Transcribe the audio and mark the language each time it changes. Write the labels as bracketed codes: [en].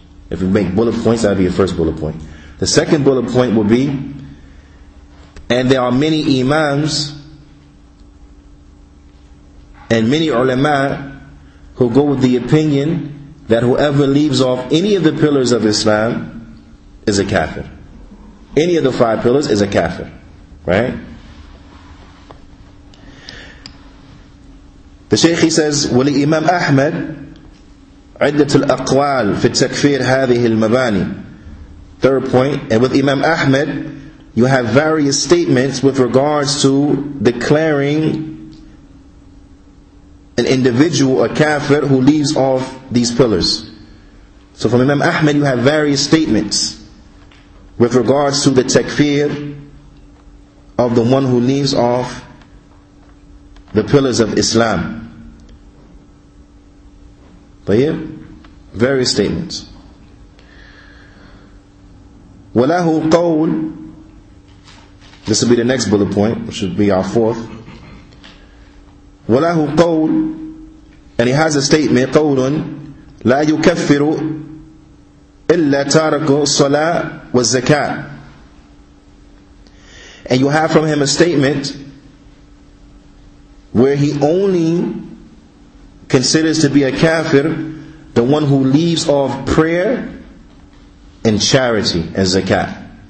[en] If you make bullet points, that'll be your first bullet point. The second bullet point will be, and there are many imams and many ulama who go with the opinion that whoever leaves off any of the pillars of Islam is a kafir. Any of the five pillars is a kafir. Right? The Shaykh, he says, [ar] وَلِإِمَامْ أَحْمَدْ عِدَّةُ الْأَقْوَالِ فِي تَكْفِيرْ هَذِهِ الْمَبَانِي. [en] Third point, and with Imam Ahmed, you have various statements with regards to declaring an individual a kafir who leaves off these pillars. So from Imam Ahmed, you have various statements with regards to the takfir of the one who leaves off the pillars of Islam. طيب, various statements. [ar] وَلَهُ قَوْل, [en] this will be the next bullet point, which will be our fourth. [ar] وَلَهُ قَوْل, [en] and he has a statement, [ar] قَوْلٌ لَا يُكَفِّرُ إلا تارك الصلاة والزكاة. [en] And you have from him a statement where he only considers to be a kafir the one who leaves off prayer and charity and zakat.